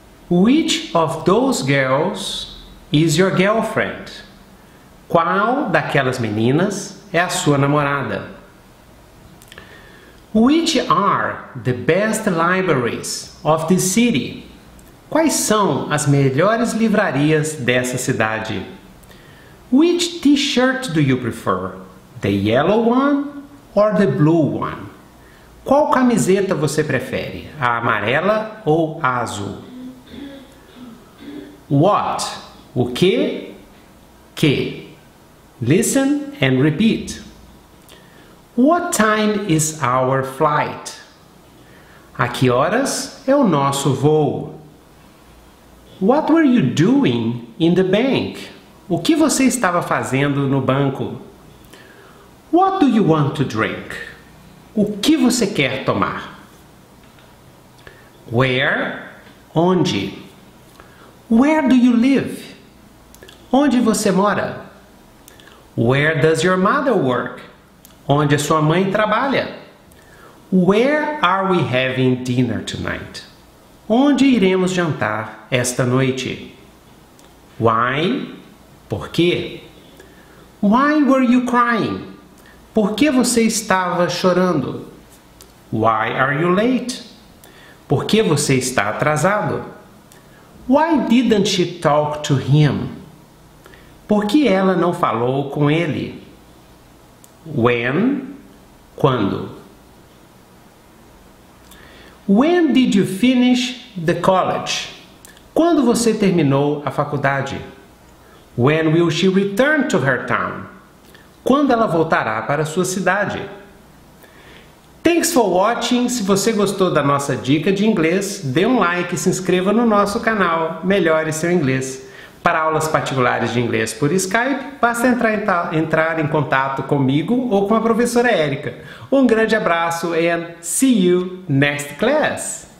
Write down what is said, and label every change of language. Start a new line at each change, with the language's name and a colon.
English: Which of those girls is your girlfriend?
Portuguese: Qual daquelas meninas é a sua namorada?
English: Which are the best libraries of the city?
Portuguese: Quais são as melhores livrarias dessa cidade?
English: Which t-shirt do you prefer? The yellow one or the blue one?
Portuguese: Qual camiseta você prefere? A amarela ou a azul?
English: What?
Portuguese: O quê? Que?
English: Listen and repeat. What time is our flight?
Portuguese: A que horas é o nosso voo?
English: What were you doing in the bank?
Portuguese: O que você estava fazendo no banco?
English: What do you want to drink?
Portuguese: O que você quer tomar?
English: Where?
Portuguese: Onde?
English: Where do you live?
Portuguese: Onde você mora?
English: Where does your mother work?
Portuguese: Onde a sua mãe trabalha?
English: Where are we having dinner tonight?
Portuguese: Onde iremos jantar esta noite?
English: Why?
Portuguese: Por quê?
English: Why were you crying?
Portuguese: Por que você estava chorando?
English: Why are you late?
Portuguese: Por que você está atrasado?
English: Why didn't she talk to him?
Portuguese: Por que ela não falou com ele?
English: When?
Portuguese: Quando?
English: When did you finish the college?
Portuguese: Quando você terminou a faculdade?
English: When will she return to her town?
Portuguese: Quando ela voltará para a sua cidade?
English: Thanks for watching.
Portuguese: Se você gostou da nossa dica de inglês, dê um like e se inscreva no nosso canal Melhore Seu Inglês. Para aulas particulares de inglês por Skype, basta entrar em contato comigo ou com a professora Erika. Um grande abraço
English: and see you next class!